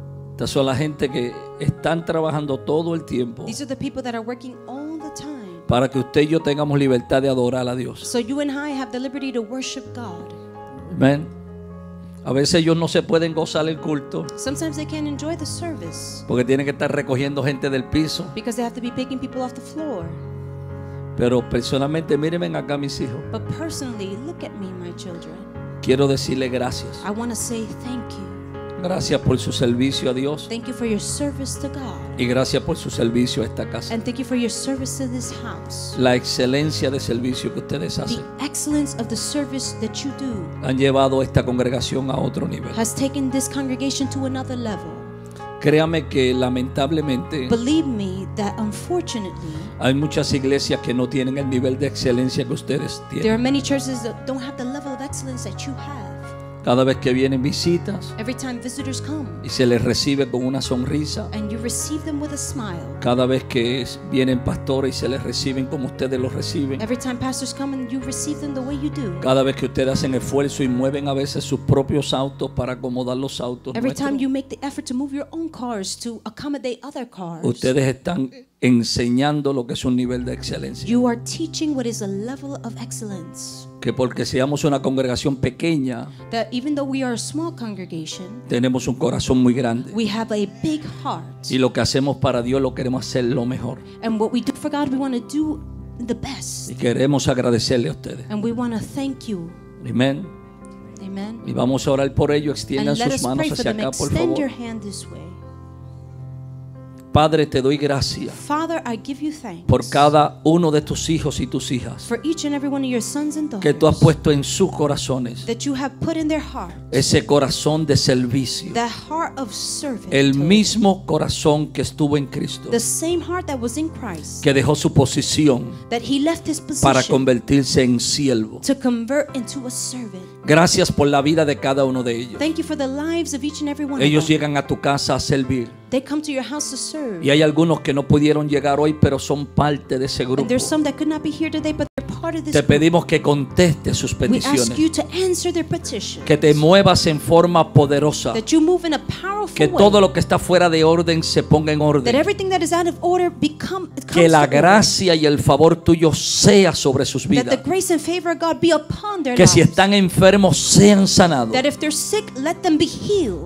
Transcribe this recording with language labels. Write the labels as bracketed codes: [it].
[es] Estas son la gente que están trabajando todo el tiempo. [en] These are the people that are working all the time. [es] Para que usted y yo tengamos libertad de adorar a Dios. [en] So you and I have the liberty to worship God. Amen. [es] A veces ellos no se pueden gozar el culto. [en] Sometimes they can't enjoy the service. [es] Porque tienen que estar recogiendo gente del piso. [en] Because they have to be picking people off the floor. [es] Pero personalmente, mírenme acá, mis hijos. [en] But personally, look at me, my children. [es] Quiero decirle gracias. [en] I want to say thank you. [es] Gracias por su servicio a Dios. [en] Thank you for your service to God. [es] Y gracias por su servicio a esta casa. [en] And thank you for your service to this house. [es] La excelencia de servicio que ustedes hacen. [en] The excellence of the service that you do. [es] Han llevado esta congregación a otro nivel. [en] Has taken this congregation to another level. [es] Créame que lamentablemente. [en] Believe me that unfortunately. [es] Hay muchas iglesias que no tienen el nivel de excelencia que ustedes tienen. [en] There are many churches that don't have the level of excellence that you have. [es] Cada vez que vienen visitas, [en] every time visitors come, [es] y se les recibe con una sonrisa, [en] and you receive them with a smile, [es] cada vez que vienen pastores y se les reciben como ustedes los reciben, [en] every time pastors come and you receive them the way you do, [es] cada vez que ustedes hacen esfuerzo y mueven a veces sus propios autos para acomodar los autos, [en] every [es] nuestros, [en] time you make the effort to move your own cars to accommodate other cars, [es] ustedes están enseñando lo que es un nivel de excelencia. [en] You are teaching what is a level of excellence. [es] Que porque seamos una congregación pequeña, [en] that even though we are a small congregation, [es] tenemos un corazón muy grande. [en] We have a big heart. [es] Y lo que hacemos para Dios lo queremos hacer lo mejor. [en] And what we do for God, we want to do the best. [es] Y queremos agradecerle a ustedes. [en] And we want to thank you. Amen. Amen. [es] Y vamos a orar por ello. Extiendan sus manos hacia acá, por favor. [en] Extend your hand this way. [es] Padre, te doy gracias. [en] Father, I give you thanks [es] por cada uno de tus hijos y tus hijas, [en] for each and every one of your sons and daughters, [es] que tú has puesto en sus corazones, [en] that you have put in their hearts, [es] ese corazón de servicio, [en] that heart of servant, [es] el mismo corazón que estuvo en Cristo, [en] the same heart that was in Christ, [es] que dejó su posición, [en] that he left his position, [es] para convertirse en siervo, [en] to convert into a servant. [es] Gracias por la vida de cada uno de ellos. [en] Thank you for the lives of each and every one. [es] Ellos llegan a tu casa a servir. [en] They come to your house to serve. [es] Y hay algunos que no pudieron llegar hoy, pero son parte de ese grupo. [en] And there's some that could not be here today, but they're part of this. [es] Te pedimos que conteste sus peticiones. [en] We ask you to answer their petitions. [es] Que te muevas en forma poderosa. [en] That you move in a powerful way. [es] Que todo lo que está fuera de orden se ponga en orden. [en] That everything that is out of order become. [es] Que la gracia y el favor tuyo sea sobre sus vidas. [en] That the grace and favor of God be upon their lives. [es] Que si están enfermos, sean sanados. [en] That if they're sick, let them be healed.